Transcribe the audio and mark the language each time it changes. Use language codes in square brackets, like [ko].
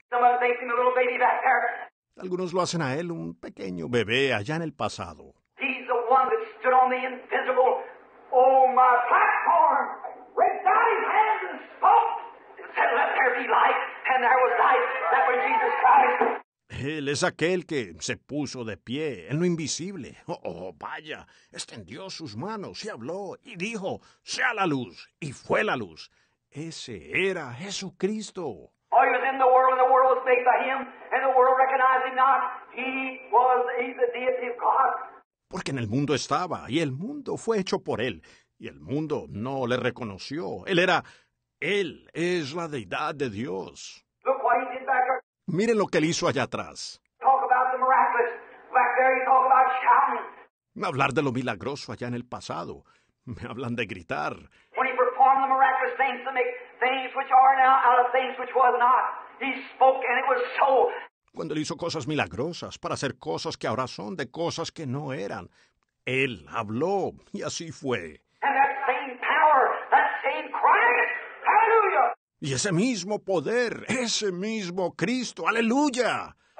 [en] Someone thinks him a little baby back there. [es] Algunos lo hacen a él un pequeño bebé allá en el pasado. [en] He's the one that stood on the invisible, oh my platform, raised out his hands and spoke and said, let there be light, and there was light. That was Jesus Christ. [es] Él es aquel que se puso de pie en lo invisible. Oh, vaya, extendió sus manos y habló y dijo, sea la luz, y fue la luz. Ese era Jesucristo. [en] Oh, he was in the world, and the world was made by him, and the world recognized him not. He's the deity of God. [es] Porque en el mundo estaba, y el mundo fue hecho por él, y el mundo no le reconoció. Él es la deidad de Dios. [en] Look what he did back there. [es] Miren lo que él hizo allá atrás. [en] Talk about the miraculous. Back there you talk about shouting. [es] Hablar de lo milagroso allá en el pasado. Me hablan de gritar. [en] When he performed the miraculous things to make things which are now out of things which was not. He spoke and it was so. [es] Cuando él hizo cosas milagrosas para hacer cosas que ahora son de cosas que no eran. Él habló y así fue. [en] And that same power, that same Christ. Hallelujah. [es] Y ese mismo poder, ese mismo Cristo, ¡aleluya!